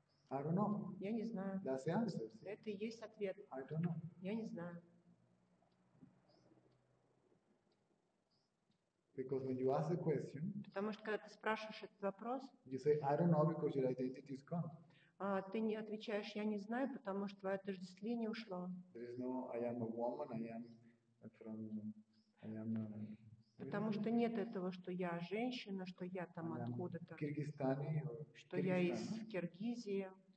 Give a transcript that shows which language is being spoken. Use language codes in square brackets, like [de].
[en] I don't know. [ru] Я не знаю. [en] That's the answer. [ru] Это и есть ответ. [en] I don't know. [ru] Я не знаю. [en] Because when you ask the question, [ru] потому что когда ты спрашиваешь этот вопрос, [en] you say, I don't know because your identity is gone. [ru] Ты не отвечаешь, я не знаю, потому что твое отождествление ушло. [en] There is no, I am a woman, I am from, I am a... [ru] Потому что нет этого, что я женщина, что я там откуда-то, Киргизстане, что я из Киргизии.